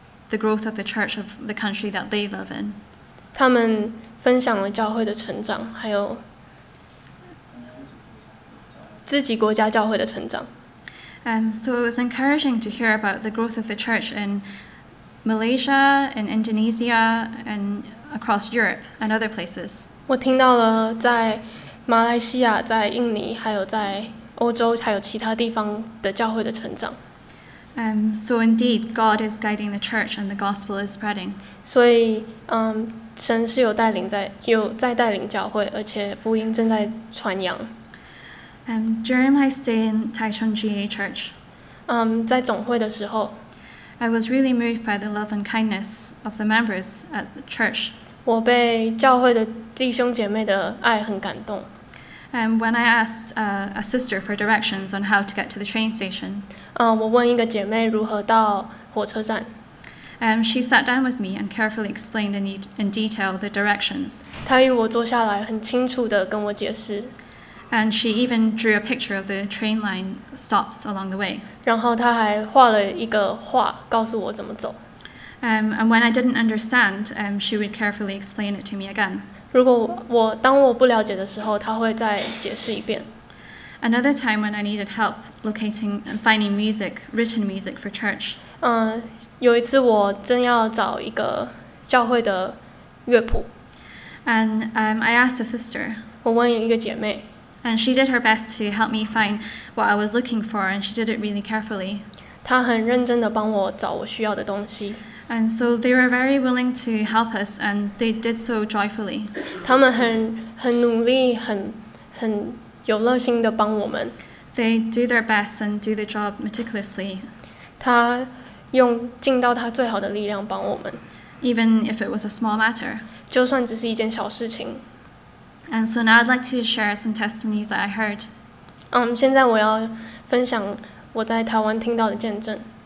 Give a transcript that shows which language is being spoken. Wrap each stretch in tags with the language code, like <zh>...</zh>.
<en>the growth of the church of the country that they live in.</en> <zh>他们分享了教会的成长，还有自己国家教会的成长。</zh> <en>So it was encouraging to hear about the growth of the church in Malaysia, in Indonesia, and across Europe and other places.</en> <zh>我听到了在马来西亚、在印尼、还有在欧洲、还有其他地方的教会的成长。</zh> <en>So indeed, God is guiding the church, and the gospel is spreading.</en> <zh>所以，神是有带领在，有在带领教会，而且福音正在传扬。</zh> <en>During my stay in Taichung GA Church,</en> <zh>在总会的时候</zh> <en>，I was really moved by the love and kindness of the members at the church.</en> <zh>我被教会的弟兄姐妹的爱很感动。</zh> <en>When I asked a sister for directions on how to get to the train station,</en> <zh>我问一个姐妹如何到火车站。</zh> <en>She sat down with me and carefully explained in detail the directions.</en> <zh>她与我坐下来，很清楚地跟我解释。</zh> <en>And she even drew a picture of the train line stops along the way.</en> <zh>然后她还画了一个画，告诉我怎么走。</zh> <en>And when I didn't understand, she would carefully explain it to me again.</en> <zh>如果我当我不了解的时候，她会再解释一遍。</zh> <en>Another time when I needed help locating and finding music, written music for church.</en> <zh>有一次我正要找一个教会的乐谱。</zh> <en>And I asked a sister.</en> <zh>我问一个姐妹。</zh> <en>And she did her best to help me find what I was looking for, and she did it really carefully.</en> <zh>她很认真地帮我找我需要的东西。</zh> <en>And so they were very willing to help us, and they did so joyfully.</en> <zh>他们很努力，很有热心地帮我们。</zh> <en>They do their best and do the job meticulously.</en> <zh>她用尽到她最好的力量帮我们。</zh> <en>Even if it was a small matter.</en> <zh>就算只是一件小事情。</zh> <en>And so now I'd like to share some testimonies that I heard.</en> <zh>现在我要分享我在台湾听到的见证。</zh>